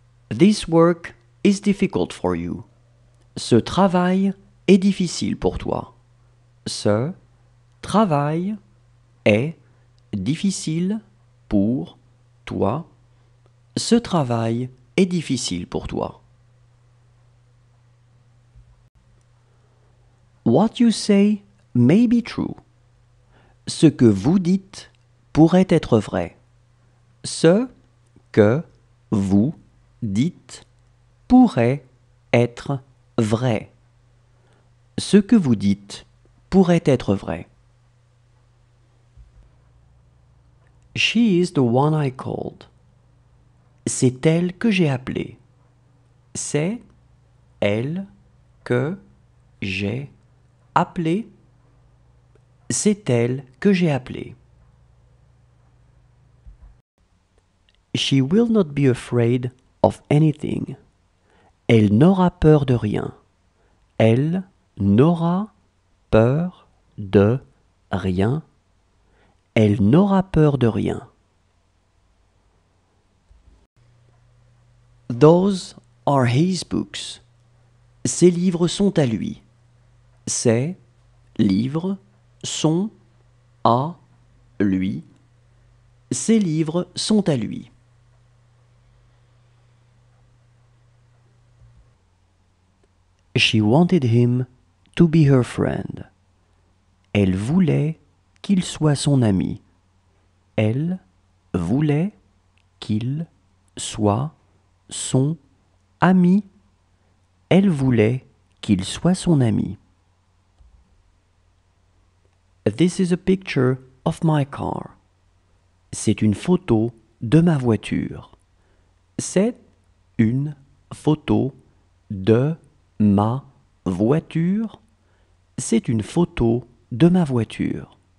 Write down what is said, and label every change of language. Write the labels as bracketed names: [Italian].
[English] This work is difficult for you. [French] Ce travail est difficile pour toi. Ce travail est difficile pour toi. Ce travail est difficile pour toi. [English] What you say may be true. [French] Ce que vous dites pourrait être vrai. Ce que vous dites pourrait être vrai. Ce que vous dites pourrait être vrai. [English] She is the one I called. [French] C'est elle que j'ai appelée. C'est elle que j'ai appelée. C'est elle que j'ai appelée. [English] She will not be afraid of anything. [French] Elle n'aura peur de rien. Elle n'aura peur de rien. Elle n'aura peur de rien. [English] Those are his books. [French] Ses livres sont à lui. Ses livres sont à lui. Ses livres sont à lui. [English] She wanted him to be her friend. [French] Elle voulait qu'il soit son ami. Elle voulait qu'il soit son ami. Elle voulait qu'il soit son ami. [English] This is a picture of my car. [French] C'est une photo de ma voiture. C'est une photo de ma voiture. C'est une photo de ma voiture.